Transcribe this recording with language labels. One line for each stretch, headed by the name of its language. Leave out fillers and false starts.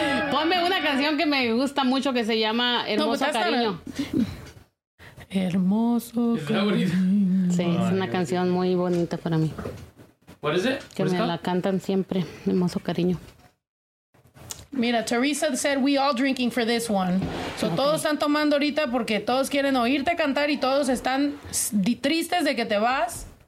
Spanish: Ponme una canción que me gusta mucho que se llama Hermoso Cariño. Hermoso Cariño. Sí, es una canción muy bonita para mí.
English: What is it?
Spanish: Que me la cantan siempre, Hermoso Cariño.
English: Mira, Teresa said we all drinking for this one. So okay.
Spanish: Todos están tomando ahorita porque todos quieren oírte cantar y todos están tristes de que te vas.